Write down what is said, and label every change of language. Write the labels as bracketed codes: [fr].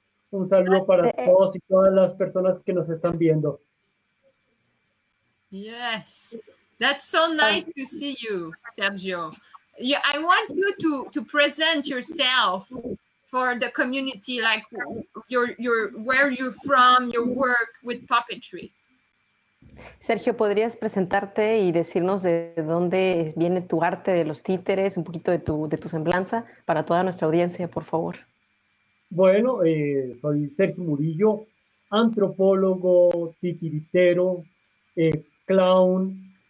[es] Un saludo para todos y todas las personas que nos están viendo. [en] Yes, that's so nice to see you, Sergio. Yeah, I want you to present yourself for the community, like your where you're from, your work with puppetry. [es] Sergio, ¿podrías presentarte y decirnos de dónde viene tu arte de los títeres, un poquito de tu semblanza para toda nuestra audiencia, por favor? Bueno, soy Sergio Murillo, antropólogo, titiritero, clown.